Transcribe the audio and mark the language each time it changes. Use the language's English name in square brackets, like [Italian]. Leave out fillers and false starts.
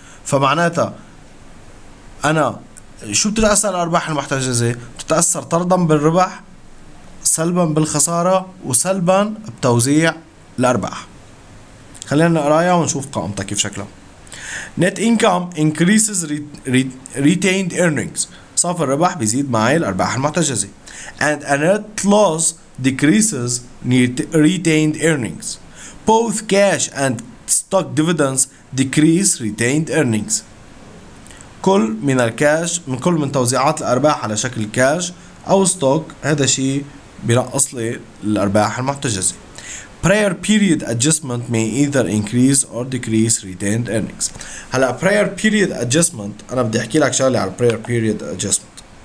[Arabic] فمعناتها أنا شو بتتأثر الأرباح المحتجزة؟ بتتأثر طردا بالربح، سلبا بالخسارة، وسلبا بتوزيع الأرباح. خلينا نقرأها ونشوف قائمتها كيف شكلها. [English] Net income increases retained earnings، [Arabic] صافي الربح بيزيد معي الأرباح المحتجزة. [English] And a net loss decreases retained earnings، both cash and stock dividends decrease retained earnings. [Arabic] كل من الكاش من كل من توزيعات الأرباح على شكل كاش أو ستوك هذا شيء بنقص لي الأرباح المحتجزة. [English] Prior period adjustment may either increase or decrease retained earnings. [Arabic] هلا prior period adjustment، أنا بدي أحكي لك شغلة على prior period adjustment.